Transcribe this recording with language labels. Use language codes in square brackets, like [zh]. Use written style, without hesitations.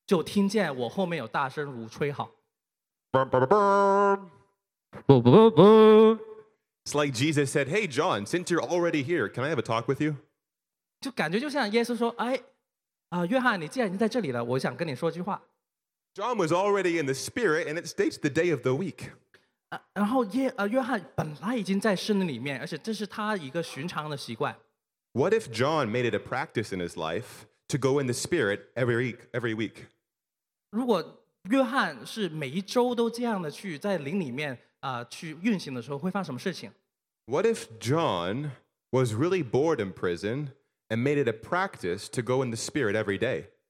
[zh] 翻出来就是当主日我在圣灵里面的时候,就听见我后面有大声如吹号。 [en] It's like Jesus said, Hey John, since you're already here, can I have a talk with you? [zh] 就感觉就像耶稣说,约翰,你既然已经在这里了,我想跟你说句话。 [en] John was already in the spirit, and it states the day of the week. [zh] 然后约翰本来已经在圣灵里面,而且这是他一个寻常的习惯。 [en] What if John made it a practice in his life to go in the spirit every week? [zh] 如果约翰是每一周都这样的去在灵里面, 去运行的时候会发生什么事情? [en] What if John was really bored in prison and made it a practice to go in the spirit every day?